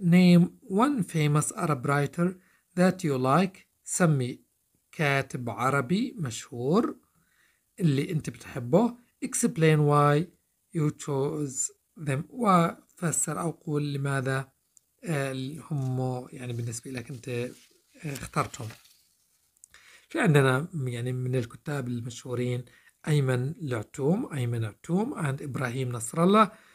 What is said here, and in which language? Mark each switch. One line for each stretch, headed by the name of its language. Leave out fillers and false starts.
English: Name one famous Arab writer that you like.
Arabic: سمي كاتب عربي مشهور اللي أنت بتحبه.
English: Explain why you chose them.
Arabic: وفسر أو قول لماذا هم يعني بالنسبة لك أنت اخترتهم. في عندنا يعني من الكتاب المشهورين أيمن العتوم، أيمن العتوم and إبراهيم نصر الله.